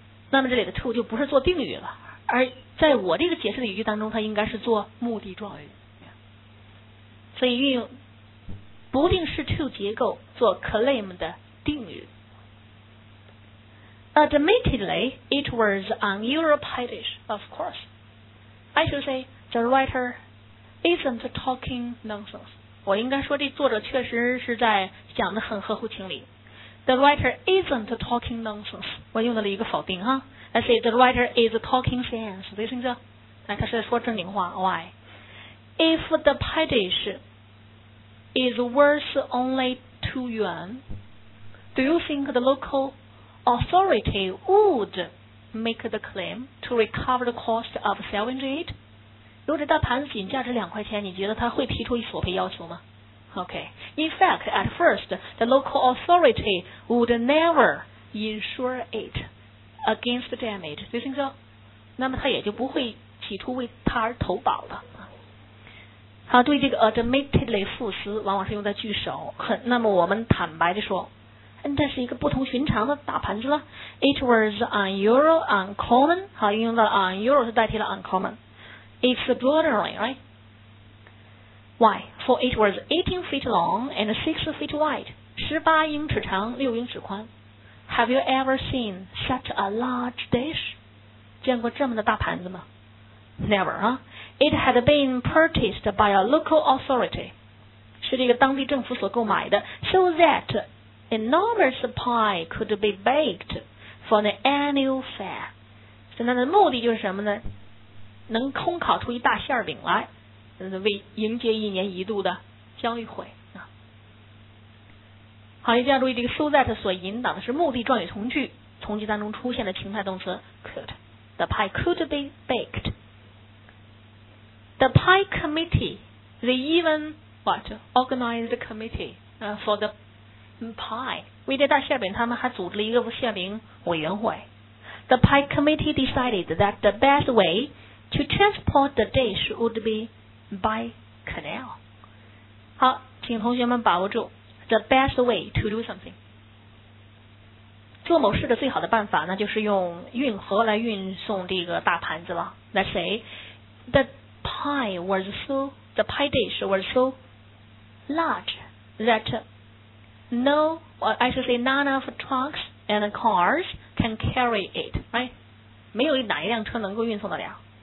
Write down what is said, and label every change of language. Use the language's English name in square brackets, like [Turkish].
[Chinese] 那么这里的 to 就不是做定语了，而在我这个解释的语句当中，它应该是做目的状语。所以运用不定式 to 结构做 claim 的定语。 [English] Admittedly, it was on your pie dish, of course. I should say the writer isn't talking nonsense. [Chinese] 我应该说这作者确实是在讲得很合乎情理。 [English] The writer isn't talking nonsense. [Chinese] 我用到了一个否定哈。 [English] I say the writer is talking sense. [Chinese] 为什么这？他是在说正经话。 [English] Why? If the pie dish is worth only 2 yuan, do you think the local authority would? Make the claim to recover the cost of selling it. [Chinese] 如果这大盘子仅价值两块钱，你觉得他会提出一索赔要求吗 [English] ？Okay. In fact, at first, the local authority would never insure it against damage. Do you think so? [Chinese] 那么他也就不会企图为他而投保了。好，对这个 admittedly 副词往往是用在句首。那么我们坦白地说。那是一个不同寻常的大盘子了。 [English] It was uncommon. [Chinese] 好，运用了 unusual 是代替了 uncommon. [English] It's extraordinary, right? Why? For it was 18 feet long and 6 feet wide. [Chinese] 18英尺长，6英尺宽。 [English] Have you ever seen such a large dish? [Chinese] 见过这么的大盘子吗 [English] ？Never, huh? It had been purchased by a local authority. [Chinese] 是这个当地政府所购买的 [English] ，so that. Enormous pie could be baked for the annual fair. [Chinese] 所以它的目的就是什么呢？能空烤出一大馅饼来，为迎接一年一度的交易会啊。好，一定要注意这个 [English] so that [Chinese] 所引导的是目的状语从句，从句当中出现的情态动词 could. [English] The pie could be baked. The pie committee, they even what organized a committee for the. Pie. [Chinese] 为这大馅饼，他们还组织了一个馅饼委员会。 [English] The pie committee decided that the best way to transport the dish would be by canal. [Chinese] 好，请同学们把握住 [English] the best way to do something. [Chinese] 做某事的最好的办法，那就是用运河来运送这个大盘子了。 [English] Let's say the pie dish was so large that. No, I should say none of trucks and cars can carry it, right? [Chinese] 没有哪一辆车能够运送得了。